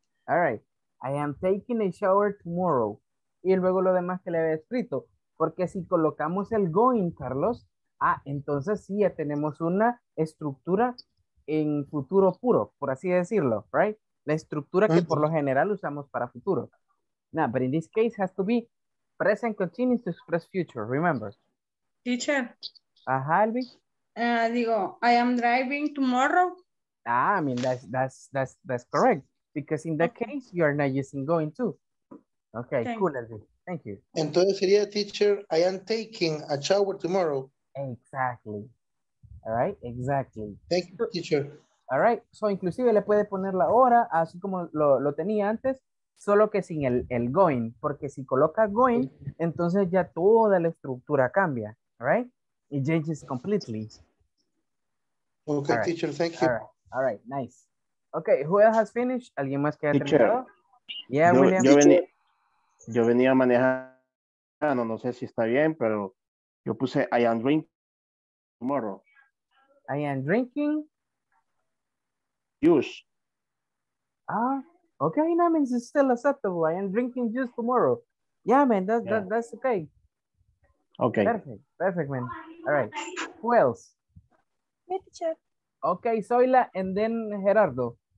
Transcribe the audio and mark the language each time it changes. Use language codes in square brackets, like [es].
[en] All right. I am taking a shower tomorrow. [es] Y luego lo demás que le había escrito. Porque si colocamos el going, Carlos, entonces sí ya tenemos una estructura en futuro puro, por así decirlo, right? La estructura que por lo general usamos para futuro. [en] Now, but in this case, has to be present continuous to express future, remember. Teacher. Ajá, Albi. I am driving tomorrow. That's correct. Because in that case, you are not using going to. Okay, cool. Thank you. [es] Entonces sería, teacher, I am taking a shower tomorrow. [en] Exactly. All right, exactly. Thank you, teacher. [es] All right, so inclusive le puede poner la hora, así como lo tenía antes, solo que sin el going. Porque si coloca going, entonces ya toda la estructura cambia. All right? [en] It changes completely. Okay, right. Teacher, thank you. All right, nice. Okay, who else has finished? [es] ¿Alguien más que ha terminado? [en] Yeah, William. [es] Yo venía manejando, no sé si está bien, pero yo puse [en] I am drinking tomorrow. I am drinking? Juice. Ah, okay, that means it's still acceptable. I am drinking juice tomorrow. Yeah, man, that's okay. Okay. Perfect, man. All right, who else? Me, teacher. Okay, Zoila, and then Gerardo.